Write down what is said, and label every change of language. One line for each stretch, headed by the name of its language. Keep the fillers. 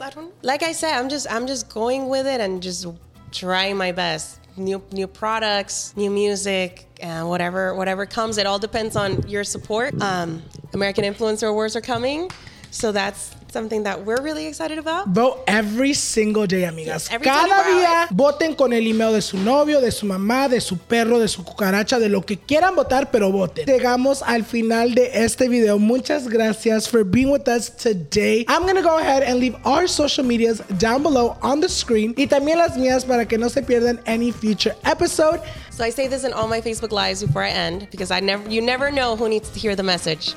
English: I don't like I said, I'm just I'm just going with it and just trying my best. New new products, new music, uh, whatever whatever comes. It all depends on your support. Um, American Influencer Awards are coming, so that's something that we're really excited about. Vote every single day, amigas. Yes, every
Spanish: Cada
English: 24
Spanish: día
English: hours.
Spanish: voten con el email de su novio, de su mamá, de su perro, de su cucaracha, de lo que quieran votar, pero voten. Llegamos al final de este video. Muchas gracias
English: for being with us today. I'm gonna go ahead and leave our social medias down below on the screen
Spanish: y también las mías para que no se pierdan
English: any future episode. So I say this in all my Facebook lives before I end because I never you never know who needs to hear the message.